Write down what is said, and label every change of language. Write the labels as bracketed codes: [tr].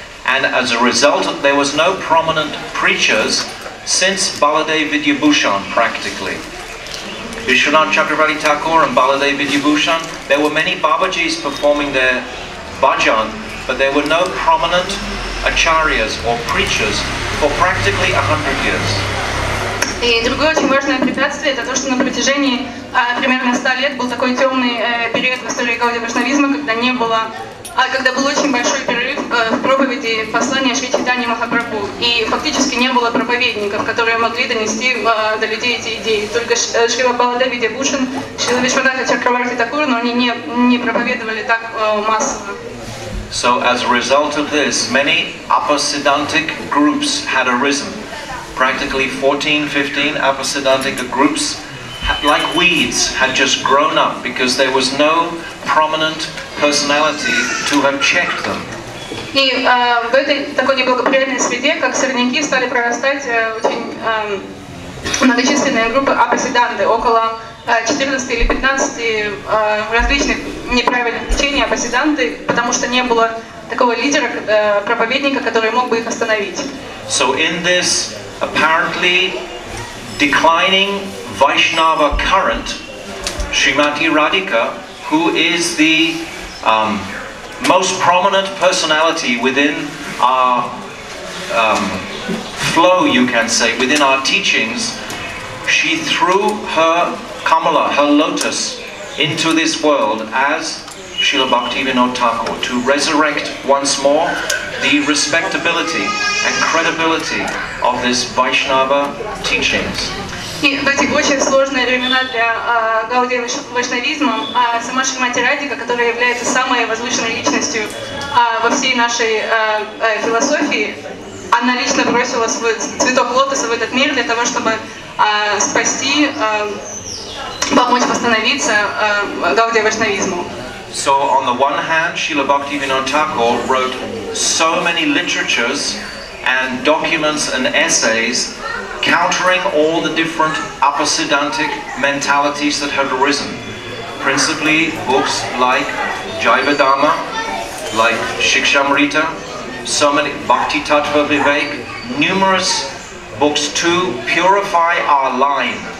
[en] And as a result, there was no prominent preachers since Baladev Vidyabhushan, practically. Vishwanath Chakravarti Thakur and Baladev Vidyabhushan, there were many Babajis performing their bhajan, but there were no prominent acharyas or preachers for practically 100 years. [ru] И другое очень важное препятствие – это то, что на протяжении примерно 100 лет был такой темный период в истории Гаудия Вайшнавизма, когда был очень большой перерыв в проповеди послания Шри Чайтанья Махапрабху. И фактически не было проповедников, которые могли донести до людей эти идеи. Только Шрила Баладев Видьябхушан, Шрила Вишванатха Чакраварти Такур, но они не проповедовали так массово. [en] So as a result of this, many upper siddhantic groups had arisen. Practically 14-15 upper siddhantic groups, like weeds, had just grown up because there was no prominent personality to have checked them. [ru] И в этой такой неблагоприятной среде, как сорняки, стали прорастать очень многочисленные группы апасиданты, около 14 или 15 различных неправильных течений апасиданты, потому что не было такого лидера, проповедника, который мог бы их остановить. [en] So in this apparently declining Vaishnava current, Srimati Radhika, who is the most prominent personality within our flow, you can say, within our teachings, she threw her kamala, her lotus, into this world as Srila Bhaktivinoda Thakur to resurrect once more the respectability and credibility of this Vaishnava teachings. [ru] И в эти очень сложные времена для Гаудии вайшнавизма сама Шримати Радика, которая является самой возвышенной личностью во всей нашей философии, она лично бросила свой цветок лотоса в этот мир для того, чтобы спасти, помочь восстановиться Гаудии вайшнавизму. [en] So on the one hand, Srila Bhaktivinoda Thakur wrote so many literatures and documents and essays countering all the different upper Siddhantic mentalities that had arisen. Principally books like Jiva Dharma, like Shikshamrita, so many Bhakti Tattva Vivek, numerous books to purify our line.